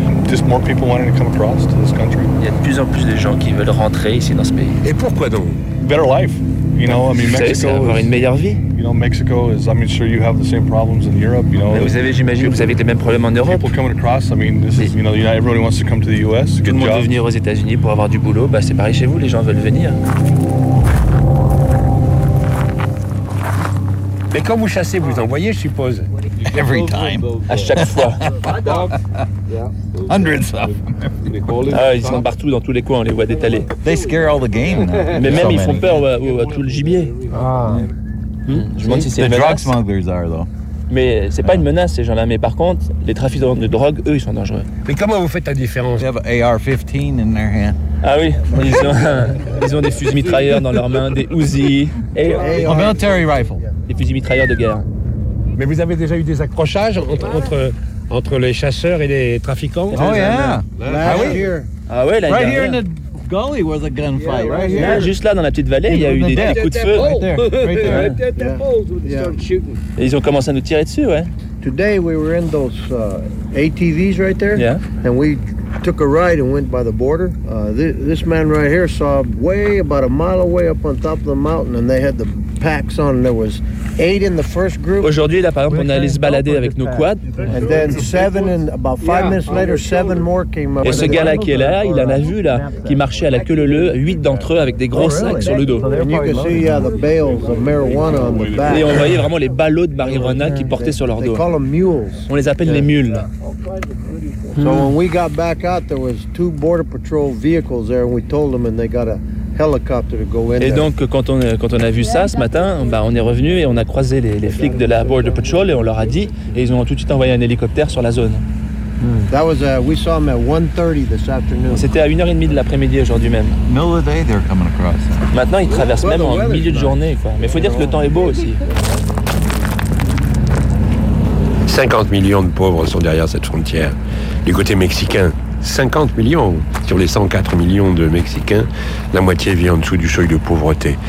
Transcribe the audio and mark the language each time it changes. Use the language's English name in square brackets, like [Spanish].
[English] Just more people wanting to come across to this country. [French] Il y a de plus en plus de gens qui veulent rentrer ici dans ce pays. Et pourquoi donc? [English] Better life. You know, I mean, Mexico. [French] C'est avoir une meilleure vie. [English] You know, Mexico is. I mean, sure, you have the same problems in Europe. You know. [French] Mais vous avez, j'imagine, vous avez les mêmes problèmes en Europe. [English] People coming across. I mean, this is. You know, everybody wants to come to the U.S. [French] Tout le monde veut venir aux États-Unis pour avoir du boulot. Bah, c'est pareil chez vous. Les gens veulent venir. Mais quand vous chassez, vous envoyez, je suppose. [English] Every time. [French] À chaque fois. [English] Hundreds of them. [French] Ah, ils sont partout, dans tous les coins, on les voit détaler. [English] They scare all the game. [French] Mais même, ils font peur à tout le gibier. Je me demande si c'est [English] The drug smugglers are, though. [French] Mais c'est pas une menace, ces gens-là. Mais par contre, les trafiquants de drogue, eux, ils sont dangereux. Mais comment vous faites la différence? [English] They have an AR-15 in their hand. [French] Ah oui, ils ont des fusils mitrailleurs dans leurs mains, des Uzi. [English] A military rifle. [French] Des fusils mitrailleurs de guerre. Mais vous avez déjà eu des accrochages entre les chasseurs et les trafiquants? [English] Oh, yeah. Last year. [French] Ah oui, dernière. [English] Right here in the gully where the gunfight. Yeah, right here. [French] Là, juste là, dans la petite vallée, il y a eu des coups de feu. [English] Right there. Right there. Yeah. [French] Et ils ont commencé à nous tirer dessus, ouais. [English] Today, we were in those ATVs right there. Yeah. And we took a ride and went by the border. This man right here saw way about a mile away up on top of the mountain and they had the packs on. There was eight in the first group. [French] Aujourd'hui, là, par exemple, on allait se balader avec nos quads. [English] And then seven and about five minutes later, seven more came up. [French] Et ce gars-là qui est là, il en a vu, là, qui marchait à la queue leu-leu, huit d'entre eux avec des gros sacs sur le dos. [English] And you can see, the bales of marijuana on the back. [French] Et on voyait vraiment les ballots de marijuana qu'ils portaient sur leur dos. [English] They call them mules. [French] On les appelle les mules. [English] So when we got back out, there was two border patrol vehicles there, and we told them, and they got a helicopter to go in. [French] Et donc quand on a vu ça ce matin, bah on est revenu et on a croisé les flics de la border patrol et on leur a dit, et ils ont tout de suite envoyé un hélicoptère sur la zone. [English] That was we saw them at 1:30 this afternoon. [French] C'était à 1h30 de l'après-midi aujourd'hui même. [English] Middle of the day they're coming across. [French] Maintenant ils traversent même en milieu de journée quoi. Mais faut dire que le temps est beau aussi. 50 millions de pauvres sont derrière cette frontière. Du côté mexicain, 50 millions. Sur les 104 millions de Mexicains, la moitié vit en dessous du seuil de pauvreté.